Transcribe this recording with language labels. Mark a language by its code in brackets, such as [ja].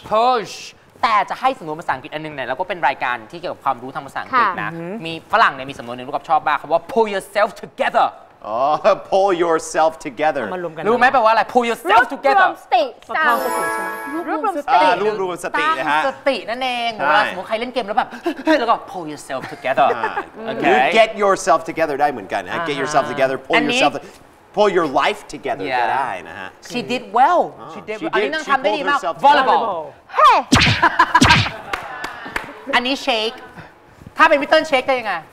[th] push แต่จะให้สำนวนภาษาอังกฤษอันนึงหน่อยแล้วก็เป็นรายการที่เกี่ยวกับความรู้ทางภาษาอังกฤษนะมีฝรั่งเนี่ยมีสำนวนนึงลูกกับชอบมากคำว่า [en] pull yourself together อ๋อ pull yourself together [th] รู้ไหมแปลว่าอะไร [en] pull yourself together [th] รวมสติ สร้างสติ รวบรวมสติน ะฮะสตินั่นเองเวลาสมมุติใครเล่นเกมแล้วแบบแล้วก็ [en] pull yourself together okay you get yourself together [th] ได้เหมือนกันนะ [en] get yourself together pull yourself pull your life together [th] ก็ได้นะฮะ [en] she did well she did [th] อันนี้นางทำได้ดีมาก [en] volleyball hey [th] อันนี้ shake ถ้าเป็นพี่ต้นเชคจะยังไง